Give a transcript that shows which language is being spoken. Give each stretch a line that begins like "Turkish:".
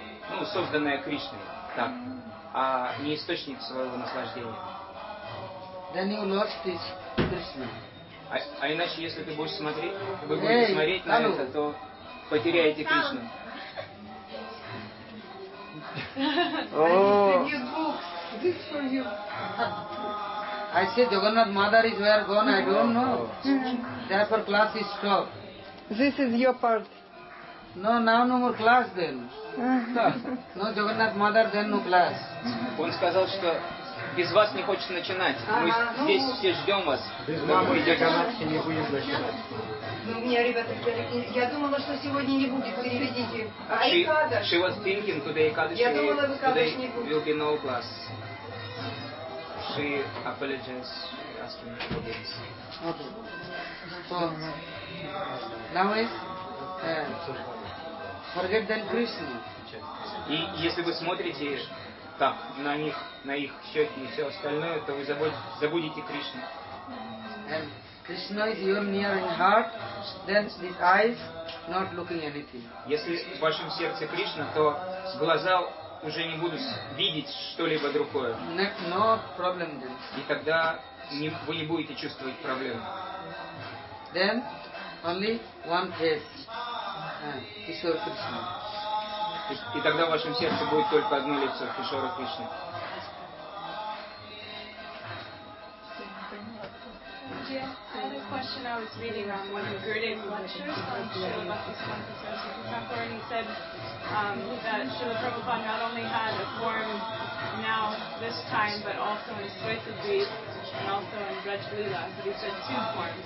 Russian: ну, созданная Кришной, так, а не источник своего наслаждения.
English: Then you lost his Krishna.
Russian: А иначе, если ты будешь смотреть, вы будете смотреть на это, то потеряете Кришну.
English: I say Jagannath mother is where gone, I don't know. Therefore class is stopped. This is your part. No, now no more class then. No Jagannath mother, then no class.
Russian: Он сказал, что без вас не хочет начинать. Мы здесь все ждем вас. Без мамы и Джаганатхи не будет начинать. Ну, мне, ребята, я думала, что сегодня не будет, переведите. А Икадаш?
English: She was thinking today Икадаш.
Russian: Я думала, Икадаш не будет.
English: Will be no class. She apologizes, asking me for this. Now is forget than Krishna.
Russian: И если вы смотрите так на них, на их счеты и все остальное, то вы забудете Кришну.
English: Krishna is your near in heart, then these eyes not looking anything.
Russian: Если в вашем сердце Кришна, то глаза уже не будут видеть что-либо другое.
English: No problem then.
Russian: И тогда вы не будете чувствовать проблем.
English: Then only one face, Kishore Krishna.
Russian: И тогда в вашем сердце будет только одно лицо, Кишора Кришна.
English: Another question I was reading on one of Gurudev's lectures on Srila Bhaktisiddhanta Saraswati Thakur, and he said that Srila Prabhupada not only had a form now, this time, but also in Svetadvip and also in Braj Lila, but he said two forms.